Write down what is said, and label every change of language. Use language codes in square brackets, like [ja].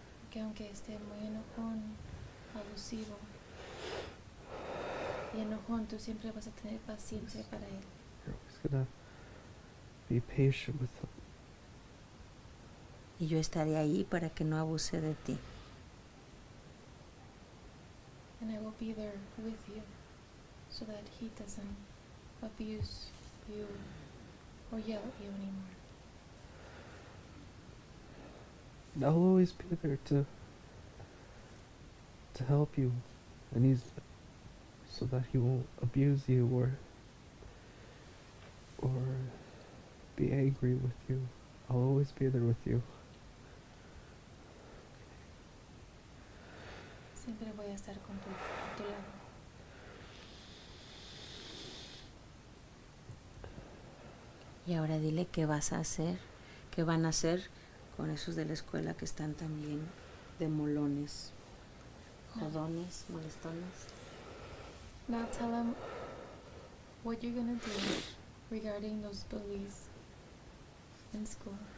[es] Que aunque esté muy enojón, abusivo, y enojón, tú siempre vas a tener paciencia para él. [en] You're always gonna be patient with him. [es] Y yo estaré ahí para que no abuse de ti. [en] And I will be there with you, so that he doesn't abuse you or yell at you anymore. And I'll always be there to help you, and he's so that he won't abuse you or be angry with you. I'll always be there with you. [es] Siempre voy a estar con tu, a tu lado. Y ahora dile qué vas a hacer, qué van a hacer con esos de la escuela que están también de molones, jodones, molestones. [en] Now tell them what you're gonna do regarding those bullies in school.